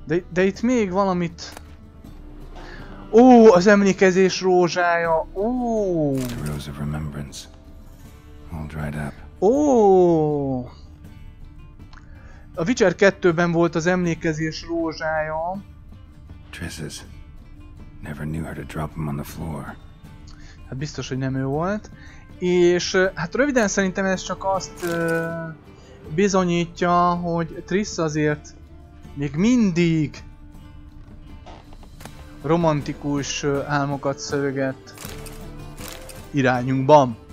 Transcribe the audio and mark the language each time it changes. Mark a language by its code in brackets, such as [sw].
[hu] De itt még valamit... Ó, az emlékezés rózsája. Ó. [en] The Rose of Remembrance. All dried up. [hu] Ó. A Witcher 2-ben volt az emlékezés rózsája. [en] Trisses. Never knew her to drop him on the floor. [hu] Hát biztos, hogy nem ő volt. És hát röviden szerintem ez csak azt bizonyítja, hogy Triss azért még mindig romantikus álmokat szöveget irányunkban.